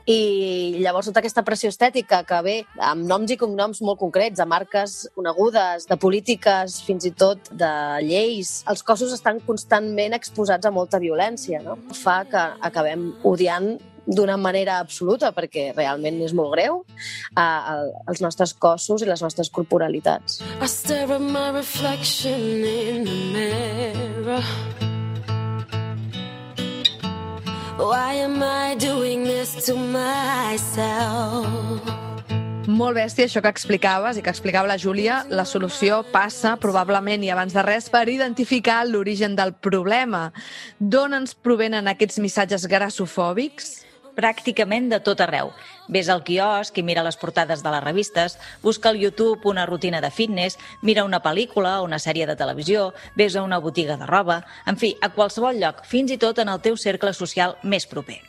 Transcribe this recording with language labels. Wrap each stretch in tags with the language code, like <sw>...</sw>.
<ca>I llavors tota aquesta pressió estètica que ve amb noms i cognoms molt concrets, de marques conegudes, de polítiques, fins i tot de lleis, els cossos estan constantment exposats a molta violència, no? Fa que acabem odiant d'una manera absoluta, perquè realment és molt greu, els nostres cossos i les nostres corporalitats.</ca> <en>I stare at my reflection in the mirror. Why am I doing this to myself?</en> <ca>Molt bèstia això que explicaves i que explicava la Júlia. La solució passa, probablement, i abans de res, per identificar l'origen del problema. D'on ens provenen aquests missatges grassofòbics? Pràcticament de tot arreu. Ves al quiosc i mira les portades de les revistes, busca al YouTube una rutina de fitness, mira una pel·lícula o una sèrie de televisió, ves a una botiga de roba, en fi, a qualsevol lloc, fins i tot en el teu cercle social més proper.</ca>